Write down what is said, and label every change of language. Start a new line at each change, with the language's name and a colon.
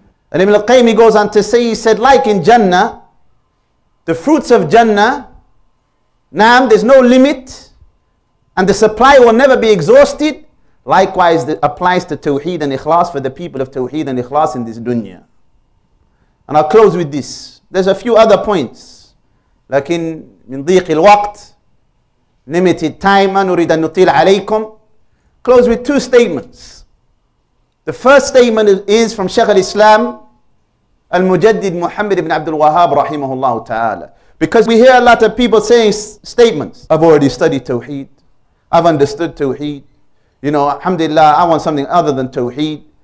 English: And Ibn al-Qayyim, he goes on to say, he said, like in Jannah, the fruits of Jannah, naam, there's no limit, And the supply will never be exhausted. Likewise, it applies to Tawheed and Ikhlas for the people of Tawheed and Ikhlas in this dunya. And I'll close with this. There's a few other points.
Arabic: لكن من ضيق الوقت,
English: limited time,
Arabic: ما نريد أن نطيل عليكم.
English: Close with two statements. The first statement is from Sheikh al-Islam, al-Mujaddid Muhammad ibn Abdul Wahhab, rahimahullah ta'ala. Because we hear a lot of people saying statements. I've already studied Tawheed. I've understood Tawheed. You know, alhamdulillah, I want something other than Tawheed.